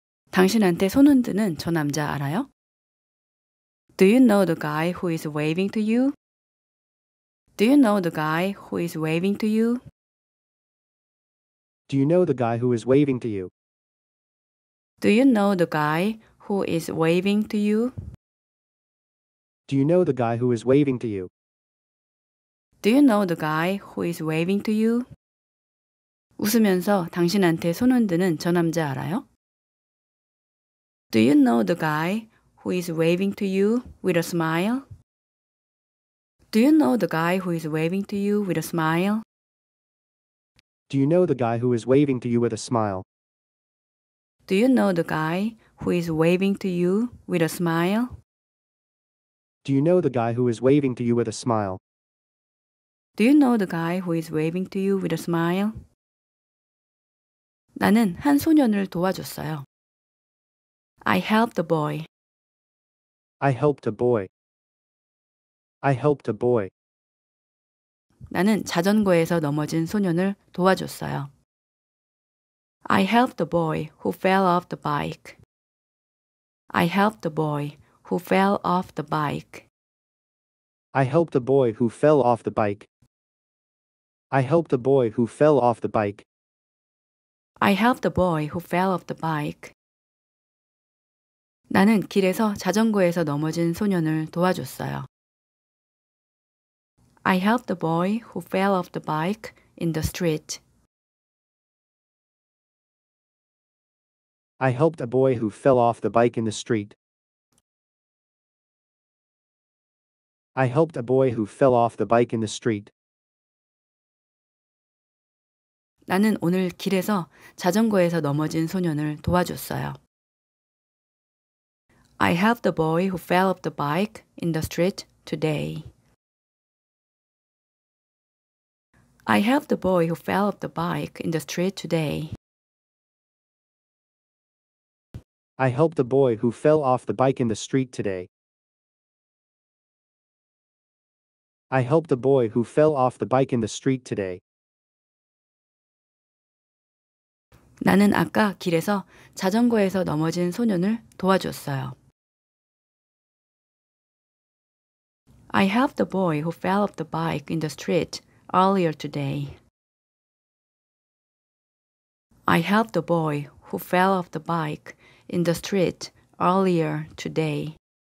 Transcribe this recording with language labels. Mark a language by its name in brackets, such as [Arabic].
[Korean] 당신한테 손 흔드는 저 남자 알아요? [English] Do you know the guy who is waving to you? Do you know the guy who is waving to you? Do you know the guy who is waving to you? Do you know the guy who is waving to you? Do you know the guy who is waving to you? Do you know the guy who is waving to you? [Korean] 웃으면서 당신한테 손 흔드는 저 남자 알아요? [English] Do you know the guy who is waving to you with a smile? Do you know the guy who is waving to you with a smile? Do you know the guy who is waving to you with a smile? Do you know the guy who is waving to you with a smile? Do you know the guy who is waving to you with a smile? Do you know the guy who is waving to you with a smile? [Korean] 나는 한 소년을 도와줬어요. [English] I helped a boy. I helped a boy. I helped a boy. [Korean] 나는 자전거에서 넘어진 소년을 도와줬어요. [English] I helped a boy who fell off the bike. I helped a boy who fell off the bike. I helped a boy who fell off the bike. I helped a boy who fell off the bike. I helped a boy who fell off the bike. [Korean] 나는 길에서 자전거에서 넘어진 소년을 도와줬어요. [English] I helped a boy who fell off the bike in the street. I helped a boy who fell off the bike in the street. I helped a boy who fell off the bike in the street. [Korean] 나는 오늘 길에서 자전거에서 넘어진 소년을 도와줬어요. [English] I helped a boy who fell off the bike in the street today. I helped a boy who fell off the bike in the street today. I helped a boy who fell off the bike in the street today. I helped a boy who fell off the bike in the street today. [Korean] 나는 아까 길에서 자전거에서 넘어진 소년을 도와줬어요. [English] I helped a boy who fell off the bike in the street earlier today. I helped a boy who fell off the bike in the street earlier today.